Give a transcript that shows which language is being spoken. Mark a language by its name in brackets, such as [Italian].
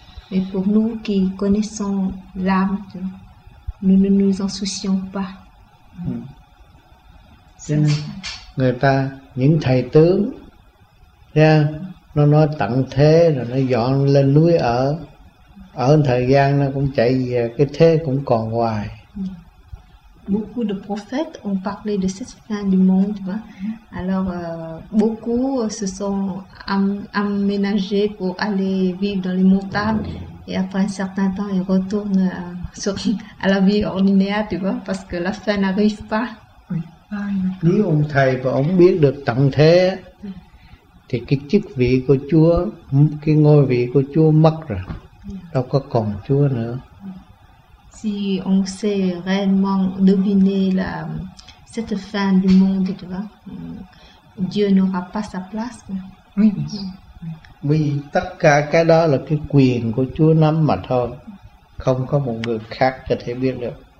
[French] Mais pour nous qui connaissons l'âme, nous ne nous en soucions pas. [Vietnamese] Người ta những thầy tướng, nó nói tặng thế rồi nó dọn lên núi ở, ở thời gian nó cũng chạy về, cái thế cũng còn hoài. [French] Beaucoup de prophètes ont parlé de cette fin du monde. Hein? Alors, beaucoup se sont aménagés pour aller vivre dans les montagnes. Et après un certain temps, ils retournent à la vie ordinaire, tu vois, parce que la fin n'arrive pas. [Vietnamese] Nếu ông thầy và ông biết được tận thế, thì cái chức vị của Chúa, cái ngôi vị của Chúa mất rồi, đâu có còn Chúa nữa. [French] Si on sait réellement deviner la, cette fin du monde, tu vois, Dieu n'aura pas sa place. Oui. [Vietnamese] Vì tất cả cái đó là cái quyền của Chúa nắm mà thôi, không có một người khác có thể biết được.